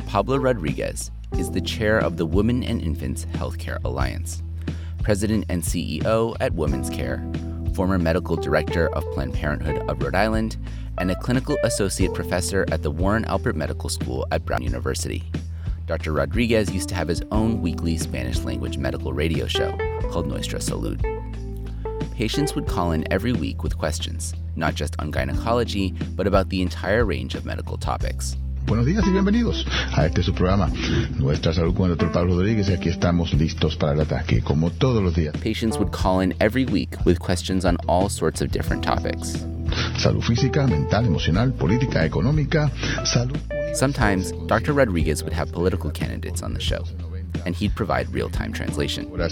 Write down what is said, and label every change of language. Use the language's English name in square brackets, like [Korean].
[English] Pablo Rodriguez, is the chair of the Women and Infants Healthcare Alliance, president and CEO at Women's Care, former medical director of Planned Parenthood of Rhode Island, and a clinical associate professor at the Warren Alpert Medical School at Brown University. Dr. Rodriguez used to have his own weekly Spanish language medical radio show called Nuestra Salud. Patients would call in every week with questions, not just on gynecology, but about the entire range of medical topics. [Spanish] Buenos días y bienvenidos a este su programa, Nuestra Salud con el Dr. Pablo Rodriguez, y aquí estamos listos para el ataque, como todos los días. [English] Patients would call in every week with questions on all sorts of different topics. [Spanish] Salud física, mental, emocional, política, económica, salud. [English] Sometimes, Dr. Rodriguez would have political candidates on the show, and he'd provide real-time translation.